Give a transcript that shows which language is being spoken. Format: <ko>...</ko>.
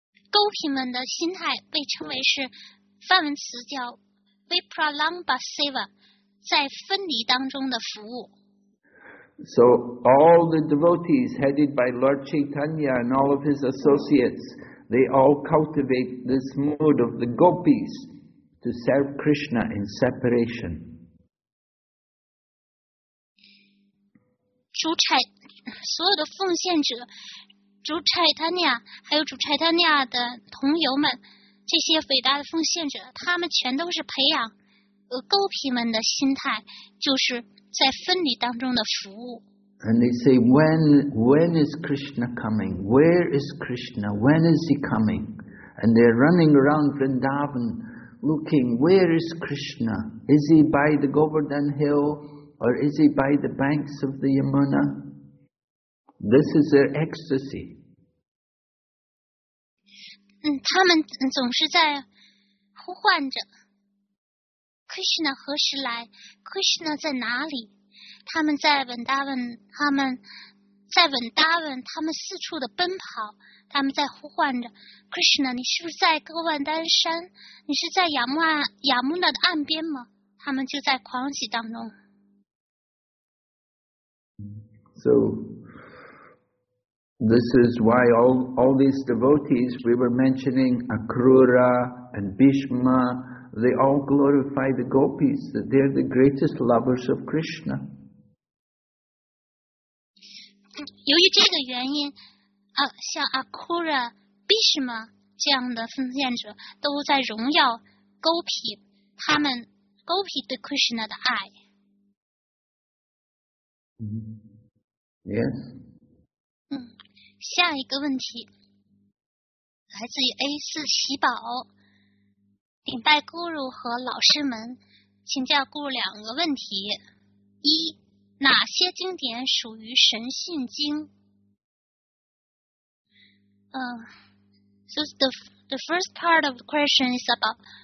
<zh>Gopi 们的心态被称为是梵文词叫 Vipralamba Seva, 在分离当中的服务。</zh> <en>So all the devotees headed by Lord Chaitanya and all of his associates, they all cultivate this mood of the gopis to serve Krishna in separation.</en> <zh>主差所有的奉献者，主差塔尼亚还有主差塔尼亚的同友们，这些伟大的奉献者，他们全都是培养gopi们的心态，就是在分离当中的服务。</zh> <en>And they say, when is Krishna coming? Where is Krishna? When is he coming? And they're running around Vrindavan looking, where is Krishna? Is he by the Govardhan Hill? Or is he by the banks of the Yamuna? This is their ecstasy.</en> <zh>他们总是在呼唤着 Krishna 何时来？ Krishna 在哪里？他们在 Vrindavan， 他们在 Vrindavan， 他们四处的奔跑，他们在呼唤着 Krishna， 你是不是在哥万丹山？你是在雅穆纳的岸边吗？他们就在狂喜当中。</zh> <en>So this is why all these devotees we were mentioning, Akrura and Bhishma, they all glorify the gopis, that they are the greatest lovers of Krishna.</en> <zh>由于这个原因，像 Akrura, Bhishma 这样的奉献者都在荣耀 gopi， 他们 gopi 对 Krishna 的爱。</zh> <en>Yes.</en> <zh>下一个问题来自于 A4 喜宝，顶拜咕噜和老师们，请教咕噜两个问题：一，哪些经典属于神性经？</zh> <en>So the first part of the question is about</en>